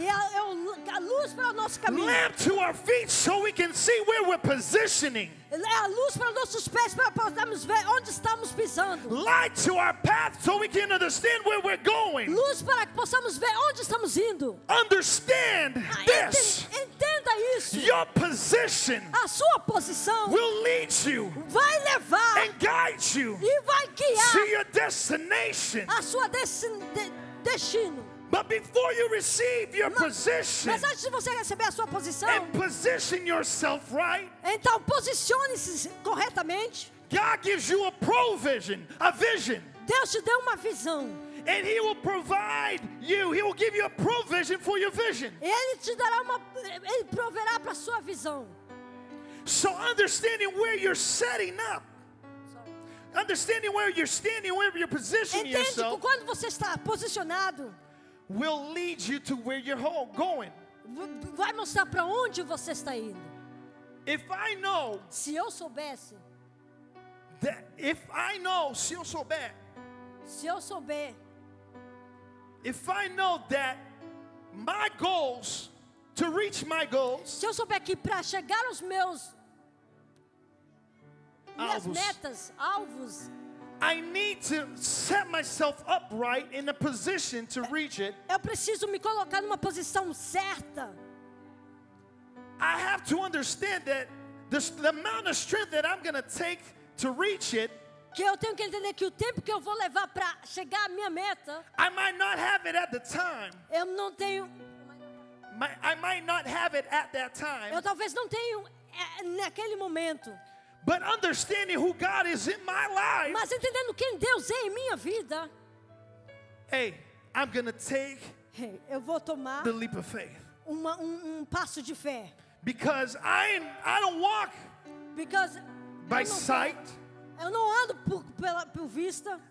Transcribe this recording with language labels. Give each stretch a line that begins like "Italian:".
Portuguese: E é a luz para o nosso caminho.
English: Lamp to our feet so we can see where we're positioning.
Portuguese: É a luz para os nossos pés para podermos ver onde estamos pisando.
English: Light to our path so we can understand where we're going.
Portuguese: Luz para que possamos ver onde estamos indo.
English: Understand this.
Portuguese: Entenda isso.
English: Your position.
Portuguese: A sua posição.
English: Will lead you.
Portuguese: Vai levar.
English: And guide you.
Portuguese: E vai guiar.
English: To your destination.
Portuguese: A sua destino.
English: But before you receive your position,
Portuguese: mas antes de você receber a sua posição,
English: and position yourself right,
Portuguese: então posicione-se corretamente.
English: God gives you a provision, a vision.
Portuguese: Deus te deu uma visão.
English: And he will provide you. He will give you a provision for your vision.
Portuguese: Ele te dará uma, ele proverá para a sua visão.
English: So understanding where you're setting up. Understanding where you're standing, where you're positioning
Portuguese: entende,
English: yourself.
Portuguese: Entende, quando você está posicionado,
English: will lead you to where you're going.
Portuguese: Vai mostrar para onde você está indo.
English: If I know,
Portuguese: se eu soubesse,
English: that if I know,
Portuguese: se eu souber, se eu souber,
English: if I know that my goals, to reach my goals,
Portuguese: se eu souber que para chegar aos meus alvos, metas, alvos,
English: I need to set myself upright in a position to reach it.
Portuguese: Eu preciso me colocar numa posição certa.
English: I have to understand that the amount of strength that I'm going to take to reach it,
Portuguese: que eu tenho que entender que o tempo que eu vou levar para chegar à minha meta,
English: I might not have it at the time.
Portuguese: Eu não tenho.
English: I might not have it at that time.
Portuguese: Eu talvez não tenho naquele momento.
English: But understanding who God is in my life.
Portuguese: Mas entendendo quem Deus é em minha vida.
English: Hey, I'm gonna take.
Portuguese: Hey, eu vou tomar
English: the leap of faith.
Portuguese: Um passo de fé.
English: Because I don't walk. Because by sight.
Portuguese: Eu não ando por vista.